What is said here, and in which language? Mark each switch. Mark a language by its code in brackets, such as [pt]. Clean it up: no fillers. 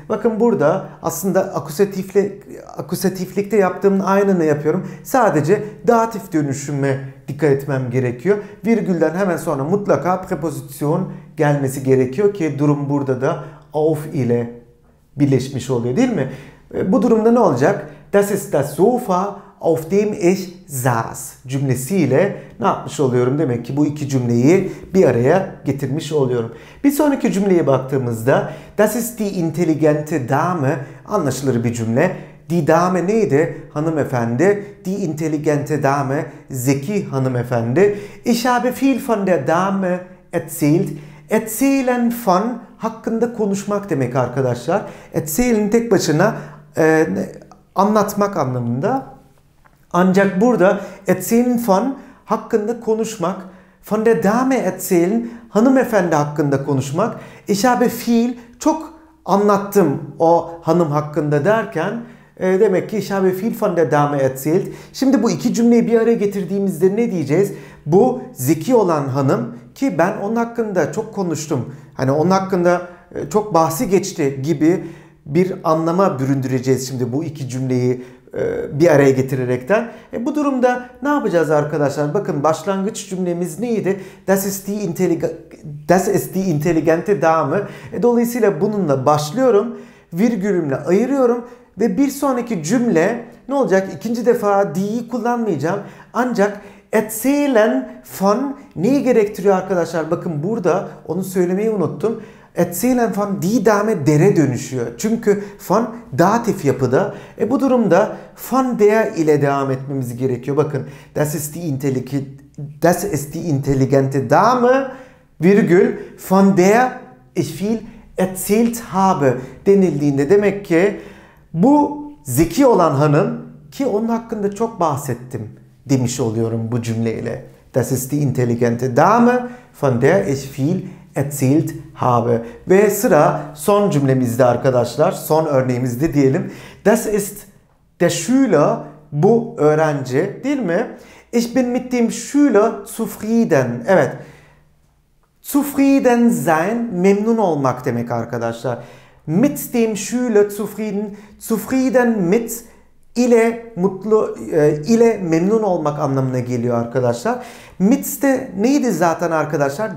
[tr] Bakın, burada aslında akusatiflikte yaptığımın aynını yapıyorum. Sadece datif dönüşüme dikkat etmem gerekiyor. Virgülden hemen sonra mutlaka preposition gelmesi gerekiyor ki durum burada da auf ile birleşmiş oluyor, değil mi? Bu durumda ne olacak? [de] Das ist das Sofa, auf dem ich saß [tr] cümlesiyle ne yapmış oluyorum? Demek ki bu iki cümleyi bir araya getirmiş oluyorum. Bir sonraki cümleye baktığımızda [de] das ist die intelligente Dame, [tr] anlaşılır bir cümle. Die Dame neydi? Hanımefendi. [de] Die intelligente Dame, [tr] zeki hanımefendi. [de] Ich habe viel von der Dame erzählt. [tr] Erzählen von, hakkında konuşmak demek arkadaşlar. Erzählen tek başına anlatmak anlamında. Ancak burada erzählen von, hakkında konuşmak. [de] Von der Dame erzählen, [tr] hanımefendi hakkında konuşmak. [de] Ich habe viel, [tr] çok anlattım o hanım hakkında derken Demek ki [de] ich habe viel von der Dame erzählt. [tr] Şimdi bu iki cümleyi bir araya getirdiğimizde ne diyeceğiz? Bu zeki olan hanım ki ben onun hakkında çok konuştum. Hani onun hakkında çok bahsi geçti gibi bir anlama büründüreceğiz şimdi bu iki cümleyi bir araya getirerekten. Bu durumda ne yapacağız arkadaşlar? Bakın başlangıç cümlemiz neydi? [de] Das ist die intelligente Dame. [tr] Dolayısıyla bununla başlıyorum. Virgülümle ayırıyorum. Ve bir sonraki cümle ne olacak? İkinci defa die'yi kullanmayacağım. Ancak erzählen von neyi gerektiriyor arkadaşlar? Bakın burada onu söylemeyi unuttum. [de] Erzählen von die Dame [tr] dere dönüşüyor. Çünkü von datif yapıda. Bu durumda von der ile devam etmemiz gerekiyor. Bakın [de] das ist die intelligente Dame virgül von der ich viel erzählt habe [tr] denildiğinde demek ki bu zeki olan hanım ki onun hakkında çok bahsettim demiş oluyorum bu cümleyle. [de] Das ist die intelligente Dame von der ich viel erzählt habe. [tr] Ve sıra son cümlemizde arkadaşlar. Son örneğimizde diyelim. [de] Das ist der Schüler, [tr] bu öğrenci değil mi? [de] Ich bin mit dem Schüler zufrieden. [tr] Evet. Zufrieden sein, memnun olmak demek arkadaşlar. [de] Mit dem Schüler zufrieden, zufrieden mit [tr] ile mutlu, ile memnun olmak anlamına geliyor arkadaşlar. Mit de neydi zaten arkadaşlar?